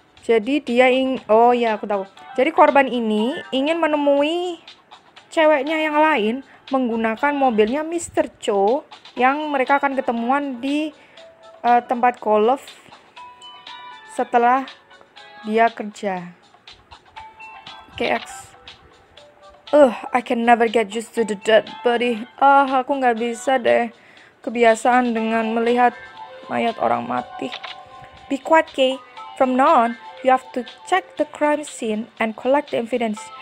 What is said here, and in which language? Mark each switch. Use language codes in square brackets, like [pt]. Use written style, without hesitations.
[id] Jadi dia Jadi korban ini ingin menemui ceweknya yang lain menggunakan mobilnya Mr. Cho yang mereka akan ketemuan di tempat golf setelah dia kerja. KX. [en] I can never get used to the dead body. [id] Aku nggak bisa deh kebiasaan dengan melihat mayat orang mati. [en] Be quiet, K. From now on, you have to check the crime scene and collect the evidence.